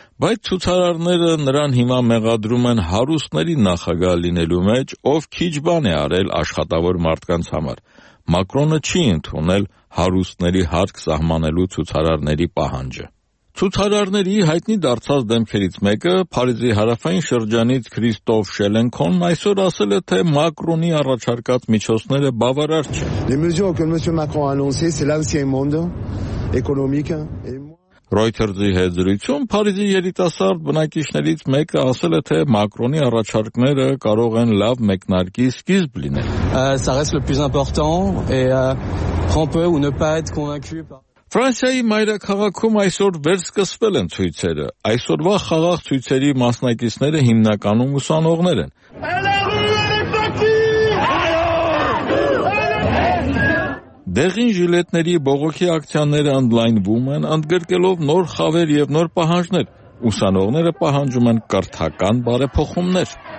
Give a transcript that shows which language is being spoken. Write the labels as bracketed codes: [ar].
[hy] բայց ցուցարարները նրան հիմա մեղադրում են հարուստների նախագահ լինելու մեջ, ով քիչ բան է արել աշխատավոր մարդկանց համար։ Մակրոնը չի ընդունել հարուստների հարկ սահմանելու ցուցարարների պահանջը։ Ցուցարարների հայտնի դարձած դեմքերից մեկը Փարիզի հարավային շրջանից Քրիստոֆ Շելենքոնն այսօր ասել է, թե Մակրոնի առաջարկած միջոցները բավարար չեն։ Ռոյթերզի հետ զրույցում Փարիզի երիտասարդ բնակիչներից մեկը ասել է, թե Մակրոնի առաջարկները կարող են լավ մեկնարկի սկիզբ լինել։ [fr] Ça reste le plus important et on peut ou ne pas être convaincu par [hy] Ֆրանսիայի մայրաքաղաքում այսօր վերսկսվել են ցույցերը։ Այսօրվա խաղաղ ցույցերի մասնակիցները հիմնականում ուսանողներ են։ Դեղին ժիլետների բողոքի ակցիաները ընդլայնվում են, ընդգրկելով նոր խավեր և նոր պահանջներ։ Ուսանողները պահանջում են կրթական բարեփոխումներ։